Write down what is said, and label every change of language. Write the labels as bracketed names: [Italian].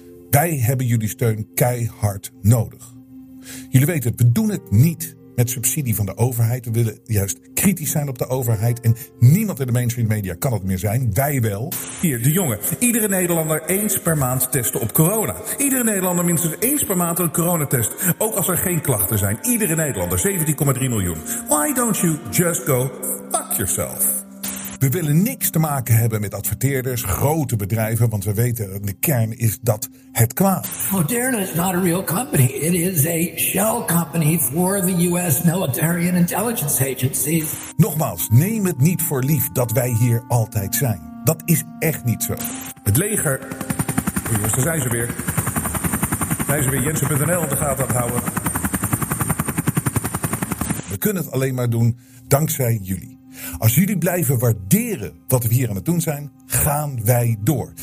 [Dutch] Wij hebben jullie steun keihard nodig. Jullie weten het, we doen het niet met subsidie van de overheid. We willen juist kritisch zijn op de overheid. En niemand in de mainstream media kan het meer zijn. Wij wel. Hier, de jongen. Iedere Nederlander eens per maand testen op corona. Iedere Nederlander minstens eens per maand een coronatest. Ook als er geen klachten zijn. Iedere Nederlander. 17,3 miljoen. [English] Why don't you just go fuck yourself? [Dutch] We willen niks te maken hebben met adverteerders, grote bedrijven, want we weten de kern is dat het kwaad. [English] Moderna is not a real company. It is a shell company for the US military and intelligence agencies. [Dutch] Nogmaals, neem het niet voor lief dat wij hier altijd zijn. Dat is echt niet zo. Het leger. Jongens, daar zijn ze weer. Jensen.nl in de gaten aan het houden. We kunnen het alleen maar doen dankzij jullie. Als jullie blijven waarderen wat we hier aan het doen zijn, gaan wij door.